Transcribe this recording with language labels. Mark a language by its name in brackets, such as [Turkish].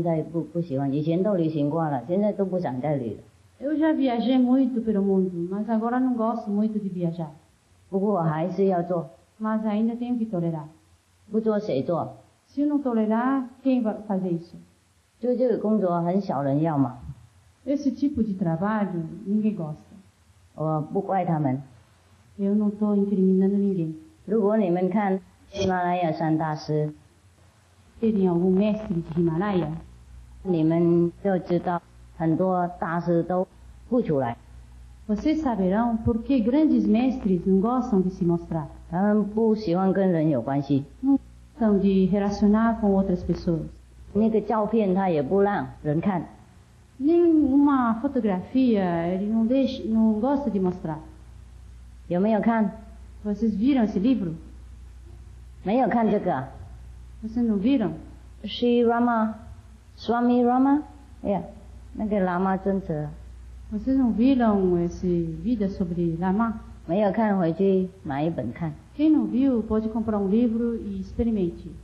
[Chinese] 我也不喜欢那么多旅行现在不喜欢以前都旅行过了现在都不想再旅了. [Portuguese] Eu já viajei muito pelo mundo, mas agora não gosto muito de viajar. [Chinese] 不过我还是要做. [Portuguese] Mas ainda tenho que tolerar. [Chinese] 不做谁做? [Portuguese] Se eu não tolerar, quem vai fazer isso? [Chinese] 就这个工作很少人要嘛. [Portuguese] Esse tipo de trabalho, ninguém gosta. [Chinese] 我不怪他们. [Portuguese] Eu não estou incriminando ninguém. [Chinese] 如果你们看 喜马拉雅山大师, [Portuguese] terem algum mestre de Himalaia, [Chinese] 你们就知道很多大师都不出来. [Portuguese] Vocês saberão por que grandes mestres não gostam de se mostrar. [Chinese] 他们不喜欢跟人有关系. [Portuguese] Não gostam de relacionar com outras pessoas. [Chinese] 那个照片他也不让人看. [Portuguese] Nem uma fotografia ele não deixa, não gosta de mostrar. [Chinese] 有没有看? [Portuguese] Vocês viram esse livro? [Chinese] 没有看这个? [Portuguese] Vocês não viram? [Chinese] Shri Rama Swami Rama? Yeah. 那个喇嘛尊者. 我是用V-Long 也是V的 sobre喇嘛. 没有看回去买一本看. [Portuguese] Quem não viu, pode comprar livro e experimente.